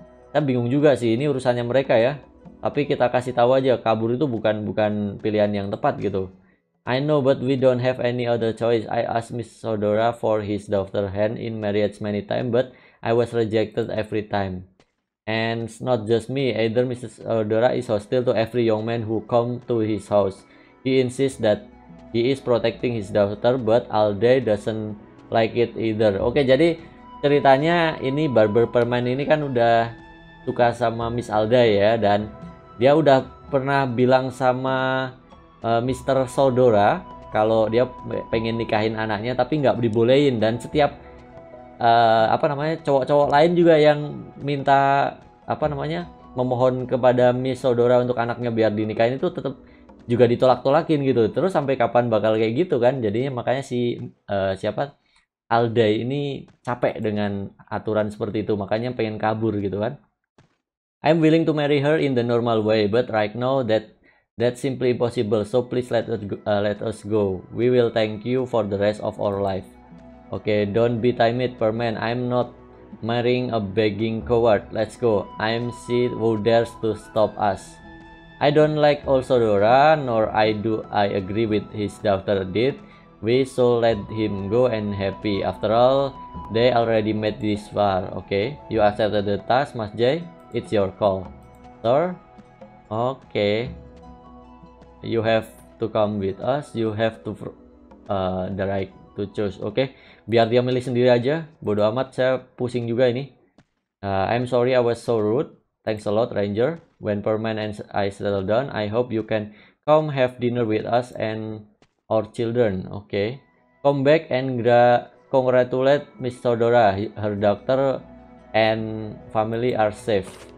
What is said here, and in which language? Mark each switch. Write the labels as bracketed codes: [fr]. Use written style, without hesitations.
[id] Kita bingung juga sih, ini urusannya mereka ya. Tapi kita kasih tahu aja, kabur itu bukan bukan pilihan yang tepat gitu. [en] I know, but we don't have any other choice. I asked Miss Sodora for his daughter's hand in marriage many times, but I was rejected every time. And it's not just me, either Mrs. Odora is hostile to every young man who come to his house. He insists that he is protecting his daughter, but Alday doesn't like it either. [id] Oke, jadi ceritanya ini Barber Permen ini kan udah suka sama Miss Alday ya, dan dia udah pernah bilang sama Mr. Sodora kalau dia pengen nikahin anaknya tapi nggak dibolehin, dan setiap cowok-cowok lain juga yang minta memohon kepada Miss Sodora untuk anaknya biar dinikahin itu tetap juga ditolak-tolakin gitu. Terus sampai kapan bakal kayak gitu kan? Jadinya makanya si Alday ini capek dengan aturan seperti itu, makanya pengen kabur gitu kan. [en] I'm willing to marry her in the normal way, but right now that's simply impossible. So please let us go. We will thank you for the rest of our life. Okay, don't be timid, Permen. I'm not marrying a begging coward. Let's go. I'm she who dares to stop us. I don't like old Sodora, nor do I agree with his daughter did. We should let him go and happy. After all, they already made this far. Okay, you accepted the task, Mas Jay. It's your call, sir. Okay. You have to come with us. You have to the right to choose. Okay. [id] Biar dia milih sendiri aja, bodo amat, saya pusing juga ini. [en] I'm sorry I was so rude. Thanks a lot, Ranger. When Permen and I settle down, I hope you can come have dinner with us and our children. Okay. Come back and congratulate Miss Todora. Her doctor and family are safe.